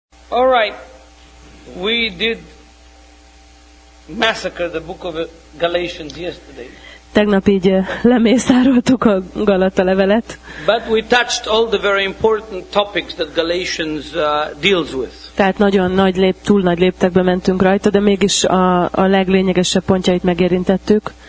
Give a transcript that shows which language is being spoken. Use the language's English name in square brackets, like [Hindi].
[English] All right, we did massacre the book of Galatians yesterday. [Hungarian] Tegnap így lemészároltuk a Galata levelet. [English] But we touched all the very important topics that Galatians deals with. [Hungarian] Tehát nagyon nagy lép, túl nagy léptekbe mentünk rajta, de mégis a leglényegesebb pontjait megérintettük.